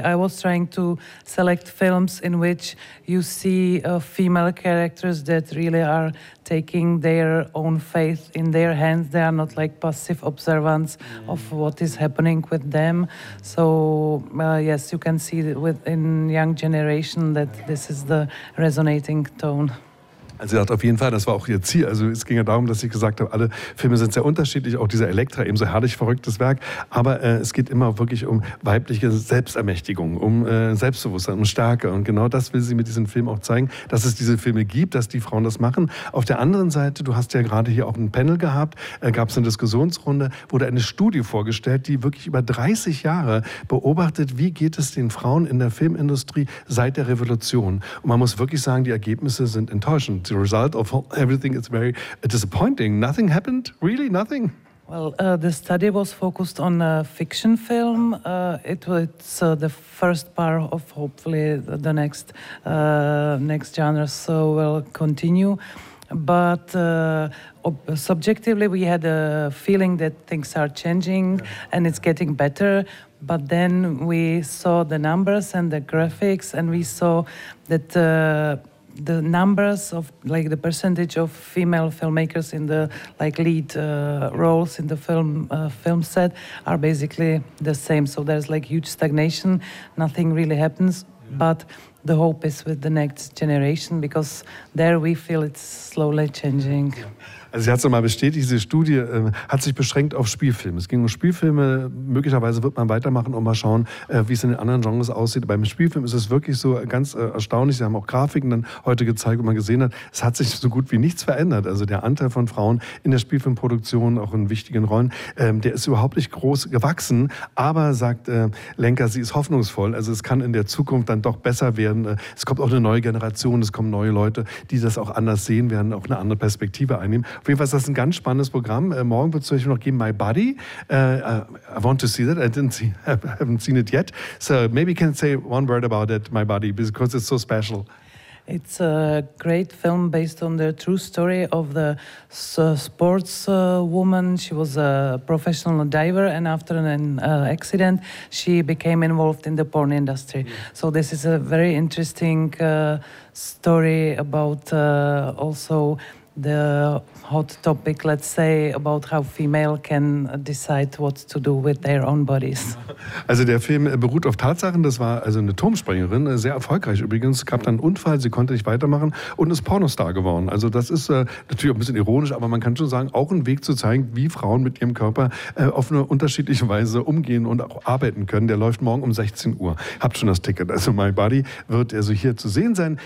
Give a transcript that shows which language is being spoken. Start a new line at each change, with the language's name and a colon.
English: I was trying to select films in which you see female characters that really are taking their own faith in their hands. They are not like passive observants of what is happening with them. So, yes, you can see that within young generation that this is the resonating tone.
German: Also ich dachte auf jeden Fall, das war auch ihr Ziel. Also es ging ja darum, dass ich gesagt habe, alle Filme sind sehr unterschiedlich, auch dieser Elektra, eben so herrlich verrücktes Werk. Aber es geht immer wirklich um weibliche Selbstermächtigung, um Selbstbewusstsein, um Stärke. Und genau das will sie mit diesem Film auch zeigen, dass es diese Filme gibt, dass die Frauen das machen. Auf der anderen Seite, du hast ja gerade hier auch ein Panel gehabt, gab es eine Diskussionsrunde, wurde eine Studie vorgestellt, die wirklich über 30 Jahre beobachtet, wie geht es den Frauen in der Filmindustrie seit der Revolution. Und man muss wirklich sagen, die Ergebnisse sind enttäuschend.
English: The result of everything is very disappointing. Nothing happened, really, nothing. Well, the study was focused on a fiction film. It's the first part of hopefully the next genre, so we'll continue. But subjectively, we had a feeling that things are changing and it's getting better. But then we saw the numbers and the graphics, and we saw that the numbers of, like, the percentage of female filmmakers in the, like, lead roles in the film set are basically the same. So there's, like, huge stagnation. Nothing really happens. Yeah. But the hope is with the next generation, because there we feel it's slowly changing.
German: Also sie hat es nochmal bestätigt, diese Studie hat sich beschränkt auf Spielfilme. Es ging um Spielfilme, möglicherweise wird man weitermachen und mal schauen, wie es in den anderen Genres aussieht. Beim Spielfilm ist es wirklich so ganz erstaunlich, sie haben auch Grafiken dann heute gezeigt, wo man gesehen hat, es hat sich so gut wie nichts verändert. Also der Anteil von Frauen in der Spielfilmproduktion, auch in wichtigen Rollen, der ist überhaupt nicht groß gewachsen. Aber, sagt Lenker, sie ist hoffnungsvoll, also es kann in der Zukunft dann doch besser werden. Es kommt auch eine neue Generation, es kommen neue Leute, die das auch anders sehen werden, auch eine andere Perspektive einnehmen. Auf jeden Fall ist das ein ganz spannendes Programm. Morgen wird es zum Beispiel noch geben, My Body.
English: I want to see that. I haven't seen it yet. So maybe you can say one word about it, My Body, because it's so special. It's a great film based on the true story of the sports woman. She was a professional diver, and after an accident, she became involved in the porn industry. Yeah. So this is a very interesting story about also the hot topic, let's say, about how female can decide what to do with their own bodies.
German: Also der Film beruht auf Tatsachen. Das war also eine Turmspringerin, sehr erfolgreich übrigens. Es gab dann einen Unfall, sie konnte nicht weitermachen und ist Pornostar geworden. Also das ist natürlich auch ein bisschen ironisch, aber man kann schon sagen, auch ein Weg zu zeigen, wie Frauen mit ihrem Körper auf eine unterschiedliche Weise umgehen und auch arbeiten können. Der läuft morgen um 16 Uhr. Habt schon das Ticket. Also My Body wird also hier zu sehen sein.